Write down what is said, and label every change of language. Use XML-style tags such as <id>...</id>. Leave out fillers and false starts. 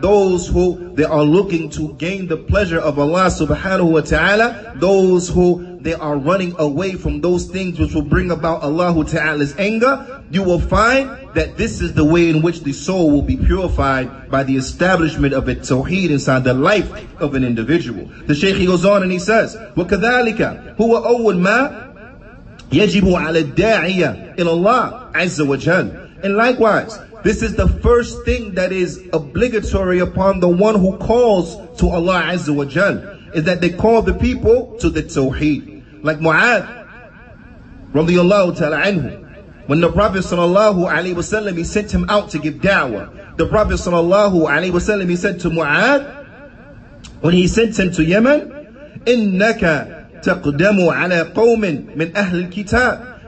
<en>Those who they are looking to gain the pleasure of Allah subhanahu wa ta'ala. Those who they are running away from those things which will bring about Allahu ta'ala's anger. You will find that this is the way in which the soul will be purified by the establishment of a tawheed inside the life of an individual. The Shaykh, he goes on and he says,</en> <ar>وَكَذَلِكَ هُوَ أَوْلْ مَا يَجِبُ عَلَى الدَّاعِيَ إِلَى اللَّهِ عَزَّ وَجَلَّ.</ar> <en>And likewise, this is the first thing that is obligatory upon the one who calls to Allah Azza wa Jal, is that they call the people to the Tawheed. Like Mu'adh, radiallahu ta'ala anhu, when the Prophet sallallahu alayhi wasallam, he sent him out to give da'wah, the Prophet sallallahu alayhi wasallam, he said to Mu'adh, when he sent him to Yemen,</en> <ar>إِنَّكَ تَقْدَمُ عَلَى قَوْمٍ مِنْ أَهْلِ الْكِتَابِ.</ar>